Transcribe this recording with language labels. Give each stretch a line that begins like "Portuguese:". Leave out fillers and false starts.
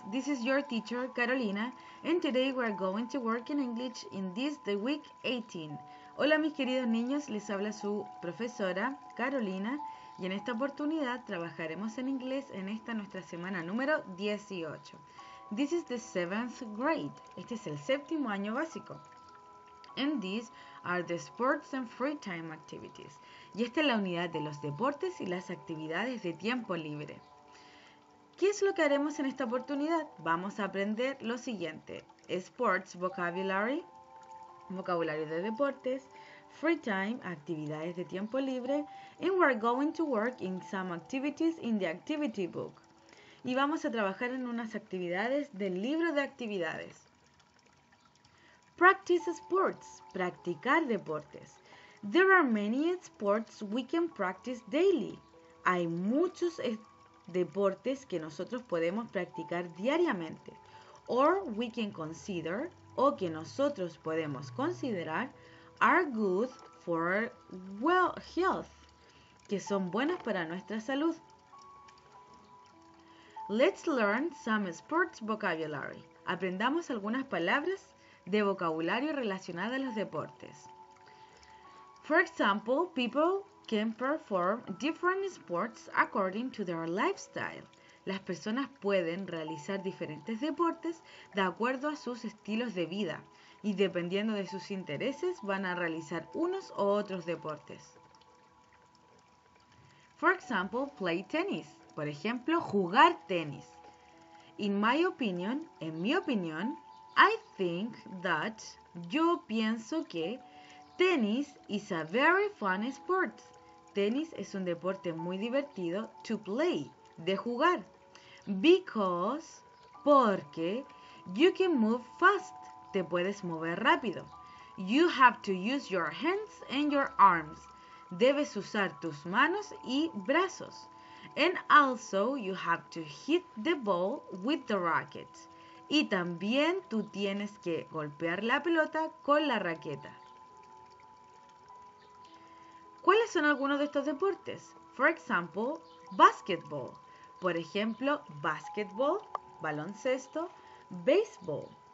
English: This is your teacher, Carolina, and today we're going to work in English in this, the week 18.
Spanish: Hola, mis queridos niños, les habla su profesora, Carolina, y en esta oportunidad trabajaremos en inglés en esta nuestra semana número 18.
English: This is the seventh grade.
Spanish: Este es el séptimo año básico.
English: And these are the sports and free time activities.
Spanish: Y esta es la unidad de los deportes y las actividades de tiempo libre. ¿Qué es lo que haremos en esta oportunidad? Vamos a aprender lo siguiente.
English: Sports vocabulary,
Spanish: vocabulario de deportes,
English: free time,
Spanish: actividades de tiempo libre,
English: and we're going to work in some activities in the activity book.
Spanish: Y vamos a trabajar en unas actividades del libro de actividades.
English: Practice sports,
Spanish: practicar deportes.
English: There are many sports we can practice daily.
Spanish: Hay muchos deportes que nosotros podemos practicar diariamente,
English: or we can consider,
Spanish: o que nosotros podemos considerar,
English: are good for well health,
Spanish: que son buenas para nuestra salud.
English: Let's learn some sports vocabulary.
Spanish: Aprendamos algunas palabras de vocabulario relacionado a los deportes.
English: For example, people can perform different sports according to their lifestyle.
Spanish: Las personas pueden realizar diferentes deportes de acuerdo a sus estilos de vida y dependiendo de sus intereses van a realizar unos u otros deportes.
English: For example, play tennis.
Spanish: Por ejemplo, jugar tenis.
English: In my opinion,
Spanish: en mi opinión,
English: I think that,
Spanish: yo pienso que,
English: tennis is a very fun sport.
Spanish: Tenis es un deporte muy divertido
English: to play,
Spanish: de jugar.
English: Because,
Spanish: porque,
English: you can move fast,
Spanish: te puedes mover rápido.
English: You have to use your hands and your arms.
Spanish: Debes usar tus manos y brazos.
English: And also, you have to hit the ball with the racket.
Spanish: Y también tú tienes que golpear la pelota con la raqueta. ¿Cuáles son algunos de estos deportes?
English: For example,
Spanish: basketball. Por ejemplo, basketball, baloncesto, baseball.